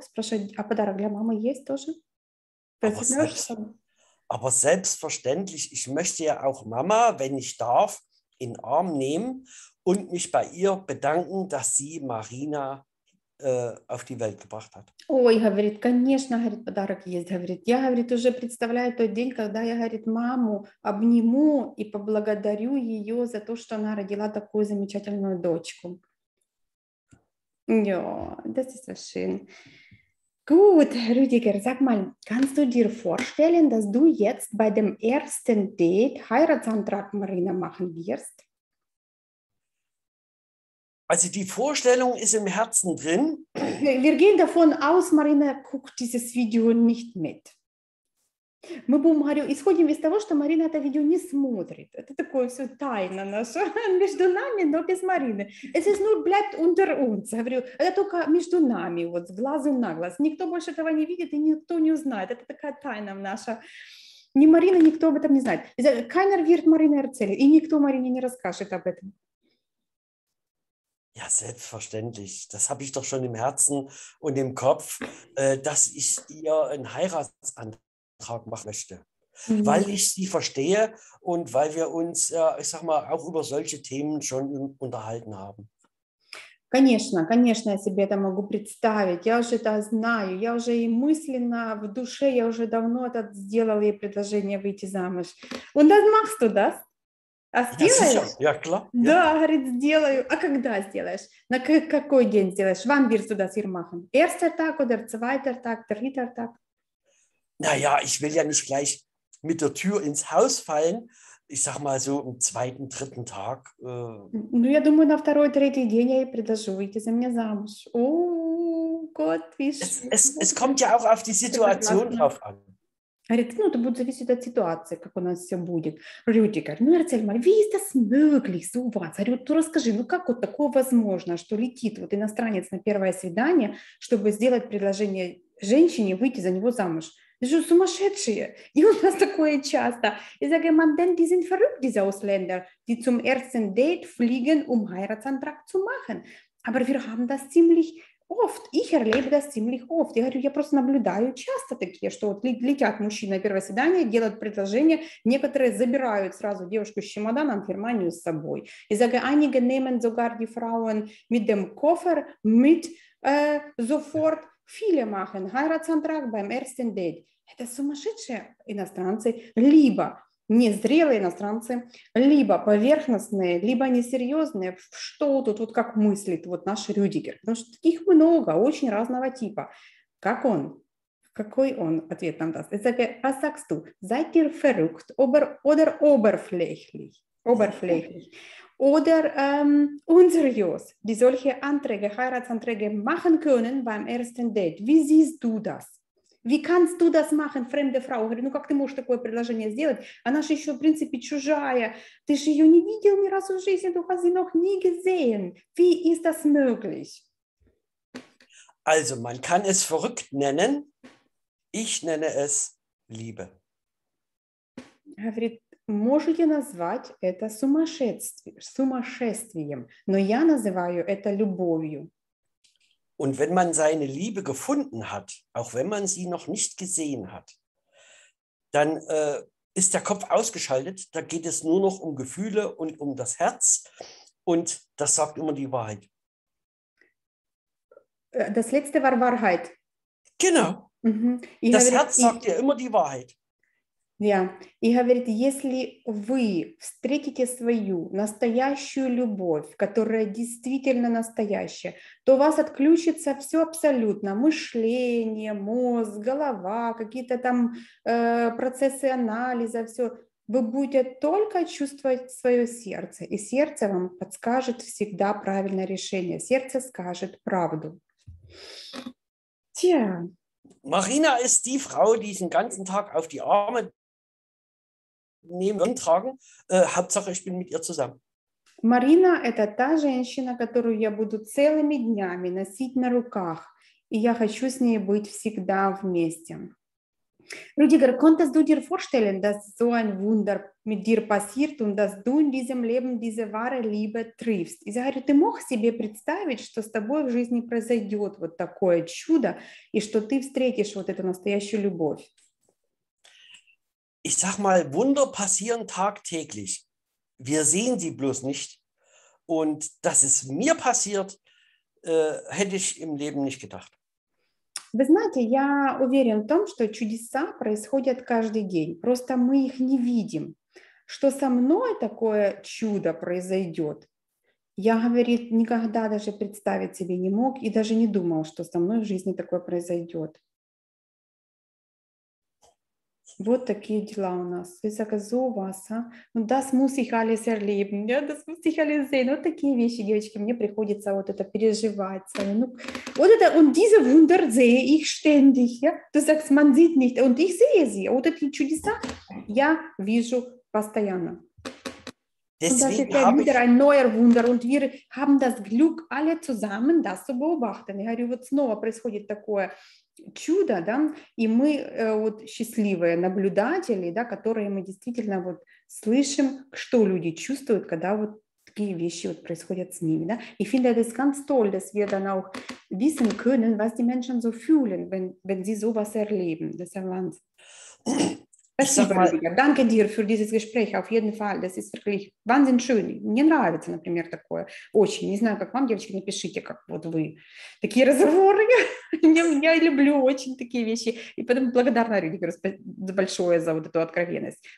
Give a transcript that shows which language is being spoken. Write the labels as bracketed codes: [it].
[ru] Спрашивает, а подарок для мамы есть тоже? [de] Aber [ru] Возьмешь? [de] selbstverständlich, ich möchte ja auch Mama, wenn ich darf, in den Arm nehmen und mich bei ihr bedanken, dass sie Marina auf die Welt gebracht hat. [ru] Ой, говорит, конечно, говорит, подарок есть, говорит. Я, говорит, уже представляю тот день, когда я, говорит, маму обниму и поблагодарю ее за то, что она родила такую замечательную дочку. [de] Ja, das ist so schön. Gut, Rüdiger, sag mal, kannst du dir vorstellen, dass du jetzt bei dem ersten Date Heiratsantrag Marina machen wirst? Also die Vorstellung ist im Herzen drin. Wir gehen davon aus, Marina guckt dieses Video nicht mit. [ru] Мы будем, говорю, исходим из того, что Марина это видео не смотрит. Это такое все тайна наша между нами, но без Марины. [de] Es ist nur bleibt unter uns, [ru] говорю. Это только между нами, вот с глазу на глаз. Никто больше этого не видит и никто не узнает. Это такая тайна наша. Ни Марина, никто об этом не знает. [de] Keiner wird Marina erzählen [ru] и никто Марине не расскажет об этом. [de] Ja, selbstverständlich. Das habe ich doch schon im Herzen und im Kopf, dass ich ihr einen Heiratsantrag machen möchte. Weil ich sie verstehe und weil wir uns, ich sag mal, auch über solche Themen schon unterhalten haben. [ru] Конечно, конечно, я себе это могу представить. Я уже это знаю. Я уже и мысленно, в душе, я уже давно это сделала ей предложение выйти замуж. [de] Und das machst du das? А Ja, [ru] сделаешь? [de] sicher. Ja, klar. [ru] Да, говорит, сделаю. А когда сделаешь? На какой день сделаешь? [de] Wann wirst du das hier machen? Erster Tag oder zweiter Tag, dritter Tag? Naja, ich will ja nicht gleich mit der Tür ins Haus fallen. Ich sag mal so im zweiten, dritten Tag. [ru] Ну, я думаю, на второй, третий день я ей предложу выйти за меня замуж. [de] О, Gott, wie Es schön. kommt ja auch auf die Situation [ru] классно. [de] drauf an. [ru] Ну, это будет зависеть от ситуации, как у нас все будет. [de] Рюдигер, [ru] ну, Арцель, мой, [de] wie ist das möglich, so was? [ru] Говорю, ну, расскажи, ну, как вот такое возможно, что летит вот иностранец на первое свидание, чтобы сделать предложение женщине выйти за него замуж? [de] Das ist [ru] сумасшедшие. И у нас такое часто. [de] Ich sage, man denkt, die sind verrückt, diese Ausländer, die zum ersten Date fliegen, Heiratsantrag zu machen. Aber wir haben das ziemlich oft. Ich erlebe das ziemlich oft. [ru] Я говорю, я просто наблюдаю часто такие, что вот летят мужчины на первое свидание, делают предложение, некоторые забирают сразу девушку с чемоданом в Германию с собой. [de] Ich sage, einige nehmen sogar die Frauen mit dem Koffer mit sofort. Viele machen Heiratsantrag beim ersten Date. [ru] Это сумасшедшие иностранцы, либо незрелые иностранцы, либо поверхностные, либо несерьезные. Что тут, вот как мыслит вот наш Рюдигер? Потому что таких много, очень разного типа. Как он? Какой он ответ нам даст? Это как [de] sagst du? Seid ihr verrückt oder oberflächlich? Oberflächlich. Oder unseriös, die solche Anträge, Heiratsanträge machen können beim ersten Date. Wie siehst du das? Wie kannst du das machen, fremde Frau? Ich sage, [ru] ну как ты можешь такое предложение сделать? Она же еще, в принципе, чужая. Ты же ее не видел ни разу в жизни, [de] du hast sie noch nie gesehen. Wie ist das möglich? Also, man kann es verrückt nennen. Ich nenne es Liebe. [ru] Можете назвать это сумасшествием, но я называю это любовью. [de] Und wenn man seine Liebe gefunden hat, auch wenn man sie noch nicht gesehen hat, dann ist der Kopf ausgeschaltet, da geht es nur noch um Gefühle und um das Herz und das sagt immer die Wahrheit. Das letzte war Wahrheit. Genau. Mhm. Das Herz sagt dir immer die Wahrheit. [ru] Да. И говорит, если вы встретите свою настоящую любовь, которая действительно настоящая, то у вас отключится все абсолютно. Мышление, мозг, голова, какие-то там процессы анализа, все. Вы будете только чувствовать свое сердце. И сердце вам подскажет всегда правильное решение. Сердце скажет правду. [de] Tja. Марина ist die Frau, die diesen ganzen Tag auf die Arme nehmen, tragen. Hauptsache, ich bin mit ihr zusammen. [ru] Марина – это та женщина, которую я буду целыми днями носить на руках. И я хочу с ней быть всегда вместе. [de] Рудигер, konntest du dir vorstellen, dass so ein Wunder mit dir passiert und dass du in diesem Leben diese wahre Liebe triffst? Ich sage, [ru] ты мог себе представить, что с тобой в жизни произойдет вот такое чудо и что ты встретишь вот эту настоящую любовь? [de] Ich sag mal, Wunder passieren tagtäglich. Wir sehen sie bloß nicht. Und dass es mir passiert, hätte ich im Leben nicht gedacht. [ru] Вы знаете, я уверен в том, что чудеса происходят каждый день. Просто мы их не видим. Что со мной такое чудо произойдет? Я, говорит, никогда даже представить себе не мог и даже не думал, что со мной в жизни такое произойдет. Вот такие дела у нас. [de] Ich sage, so was, und das muss ich alles erleben. Ja, das muss ich alles sehen. [ru] Вот такие вещи, девочки, мне приходится вот это переживать. Ну, вот это, [de] und diese Wunder sehe ich ständig. Ja? Du sagst, man sieht nicht. Und ich sehe sie. [ru] Вот эти чудеса я вижу постоянно. [de] Deswegen und das ist ja wieder ein neuer Wunder. Und wir haben das Glück, alle zusammen das zu beobachten. Ich sage, [ru] вот снова происходит такое чудо, да, и мы вот счастливые наблюдатели, да, которые мы действительно вот слышим, что люди чувствуют, когда вот такие вещи вот происходят с ними, да. [de] Ich finde das ganz toll, dass wir dann auch wissen können, was die Menschen so fühlen, wenn sie sowas erleben. Das ist ein Wahnsinn. Danke dir für dieses Gespräch, auf jeden Fall. Das ist wirklich wahnsinnig schön. [ru] Мне нравится, например, такое. Очень. Не знаю, как вам, девочки, напишите, как вот вы. Такие разговоры. Я люблю очень такие вещи. И потом благодарна, Рюдигер, большое за вот эту откровенность.